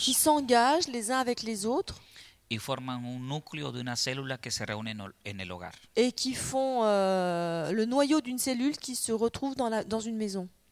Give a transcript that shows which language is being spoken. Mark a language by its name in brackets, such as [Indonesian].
[French] Ils s'engagent les uns avec les autres. [Spanish] Y forman un núcleo de una célula que se reúne en el hogar. [French] Et qui font le noyau d'une cellule qui se retrouve dans une maison.